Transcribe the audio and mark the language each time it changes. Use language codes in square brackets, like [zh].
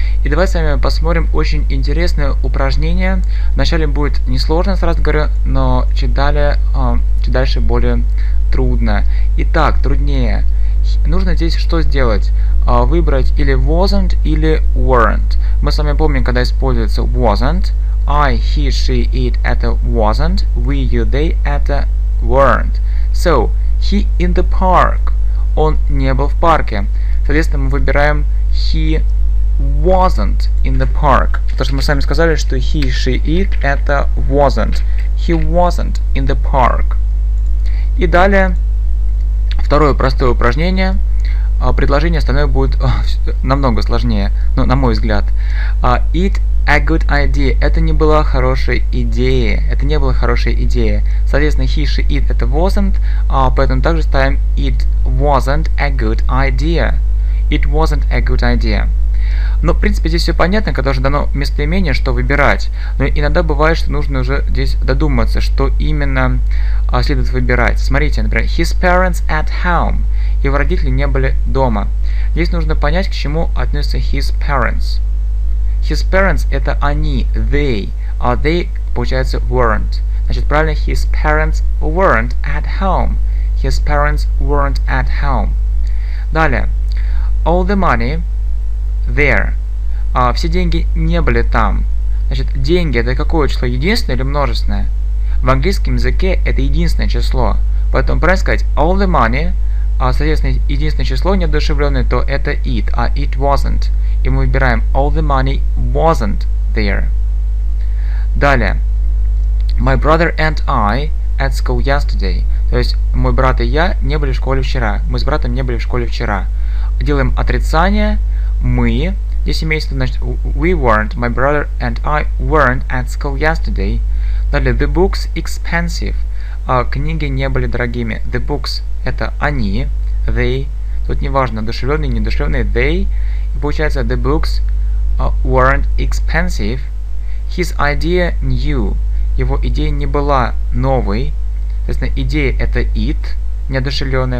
[ru] И давай с вами посмотрим очень интересное упражнение. Вначале будет несложно, сразу говорю, но чуть дальше более трудно. Итак, труднее. Нужно здесь что сделать? Выбрать или [en] wasn't, [ru] или [en] weren't. [ru] Мы с вами помним, когда используется [en] wasn't. I, he, she, it, [ru] это [en] wasn't. We, you, they, это weren't. So, he in the park. [ru] Он не был в парке. Соответственно, мы выбираем [en] he wasn't in the park. [ru] Потому что мы сами сказали, что [en] he, she, it, [ru] это [en] wasn't. He wasn't in the park. [ru] И далее, второе простое упражнение. Предложение остальное будет намного сложнее, ну, на мой взгляд. [en] It a good idea. [ru] Это не была хорошей идеей. Это не была хорошей идеей. Соответственно, [en] he, she, it, [ru] это [en] wasn't. [ru] Поэтому также ставим [en] it wasn't a good idea. It wasn't a good idea. [ru] Ну, в принципе, здесь все понятно, когда уже дано местоимение, что выбирать. Но иногда бывает, что нужно уже здесь додуматься, что именно следует выбирать. Смотрите, например, [en] his parents at home. [ru] Его родители не были дома. Здесь нужно понять, к чему относятся [en] his parents. His parents – [ru] это они, [en] they, а they, [ru] получается, [en] weren't. [ru] Значит, правильно, [en] his parents weren't at home. His parents weren't at home. [ru] Далее. [en] All the money there. [ru] Все деньги не были там. Значит, деньги – это какое число, единственное или множественное? В английском языке это единственное число. Поэтому правильно сказать [en] all the money, [ru] соответственно, единственное число неодушевленное, то это it, а [en] it wasn't. [ru] И мы выбираем [en] all the money wasn't there. [ru] Далее. [en] My brother and I at school yesterday. [ru] То есть мой брат и я не были в школе вчера. Мы с братом не были в школе вчера. Делаем отрицание. Мы. Здесь имеется в виду, значит, [en] we weren't. My brother and I weren't at school yesterday. [ru] Далее. [en] The books expensive. [ru] Книги не были дорогими. [en] The books [ru] — это они. [en] They. [ru] Тут неважно, одушевленные, неодушевленные. [en] They. [ru] И получается, [en] the books weren't expensive. His idea new. [ru] Его идея не была новой. Соответственно, идея — это it, неодушевленная.